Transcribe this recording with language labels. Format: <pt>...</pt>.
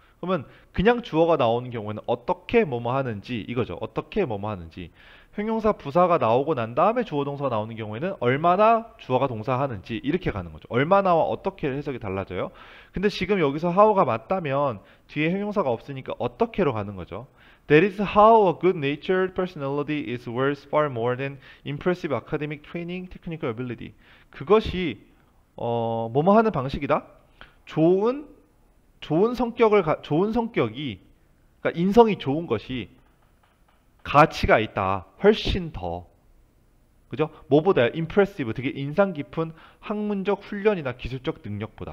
<ko>그러면 그냥 주어가 나오는 경우에는 어떻게 뭐뭐 하는지 이거죠. 어떻게 뭐뭐 하는지. 형용사 부사가 나오고 난 다음에 주어 동사가 나오는 경우에는 얼마나 주어가 동사하는지 이렇게 가는 거죠. 얼마나와 어떻게를 해석이 달라져요. 근데 지금 여기서 how가 맞다면 뒤에 형용사가 없으니까 어떻게로 가는 거죠.</ko> <en>That is how a good-natured personality is worth far more than impressive academic training, technical ability.</en> <ko>그것이 뭐뭐 하는 방식이다. 좋은 성격이, 그러니까 인성이 좋은 것이 가치가 있다. 훨씬 더. 그죠? 뭐보다 impressive, 되게 인상 깊은 학문적 훈련이나 기술적 능력보다.</ko>